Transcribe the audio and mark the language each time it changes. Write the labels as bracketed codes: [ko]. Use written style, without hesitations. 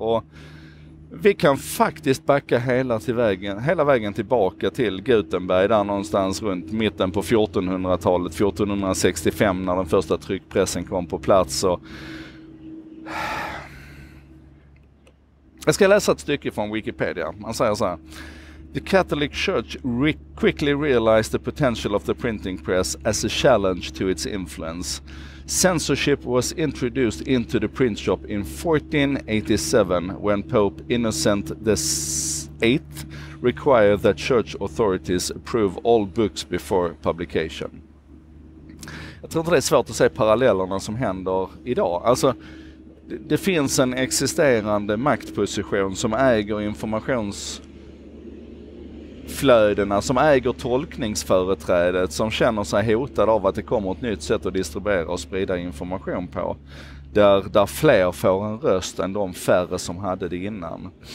[sv] Och vi kan faktiskt backa hela vägen tillbaka till Gutenberg där någonstans runt mitten på 1400-talet, 1465, när den första tryckpressen kom på plats. Och jag ska läsa ett stycke från Wikipedia. Man säger så här: [en] "The Catholic Church quickly realized the potential of the printing press as a challenge to its influence. Censorship was introduced into the print shop in 1487 when Pope Innocent VIII required that church authorities approve all books before publication." [sv] Jag tror inte det är svårt att se parallellerna som händer idag. Alltså, det finns en existerande maktposition som äger informationsflödena, som äger tolkningsföreträdet, som känner sig hotad av att det kommer ett nytt sätt att distribuera och sprida information på, där fler får en röst än de färre som hade det innan.